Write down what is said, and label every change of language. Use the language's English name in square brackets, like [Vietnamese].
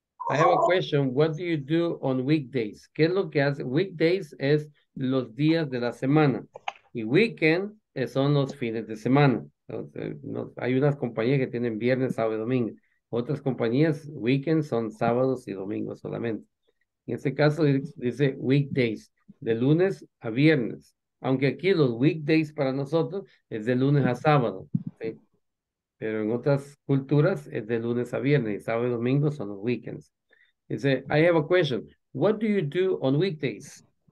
[English] I have a question, what do you do on weekdays? [Spanish] ¿Qué es lo que hace? Weekdays es los días de la semana y weekend son los fines de semana. Entonces, hay unas compañías que tienen viernes, sábado y domingo. Otras compañías, weekend son sábados y domingos solamente. En este caso dice weekdays. De lunes a viernes, aunque aquí los weekdays para nosotros es de lunes a sábado, ¿sí? Pero en otras culturas es de lunes a viernes, y sábado y domingo son los weekends. [English] Dice, I have a question, what do you do on weekdays?